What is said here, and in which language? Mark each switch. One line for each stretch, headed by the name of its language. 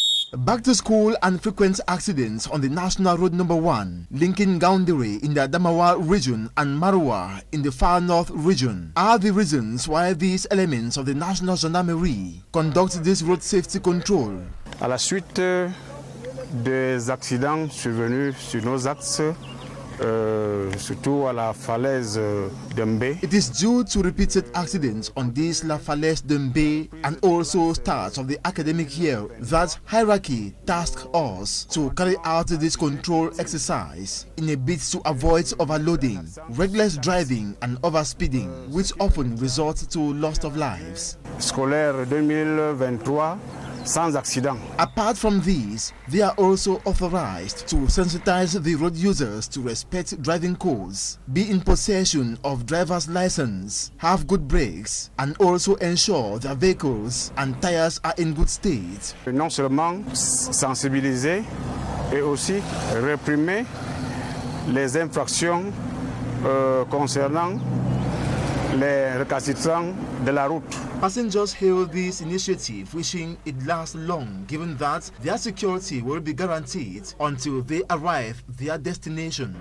English: Back to school and frequent accidents on the national road number 1 linking Gaundere in the Adamawa region and Marwa in the far north region are the reasons why these elements of the National Gendarmerie conduct this road safety control.
French: À la suite des accidents survenus sur nos axes, surtout à la falaise d'Embe.
English: It is due to repeated accidents on this La Falaise d'Embe and also start of the academic year that hierarchy tasked us to carry out this control exercise in a bid to avoid overloading, reckless driving and overspeeding, which often results to loss of lives.
French: Scolaire 2023. Sans accident.
English: Apart from these, they are also authorized to sensitize the road users to respect driving codes, be in possession of driver's license, have good brakes, and also ensure their vehicles and tires are in good state.
French: Non seulement sensibiliser et aussi réprimer les infractions concernant les récalcitrants de la route.
English: Passengers hail this initiative, wishing it lasts long, given that their security will be guaranteed until they arrive their destination.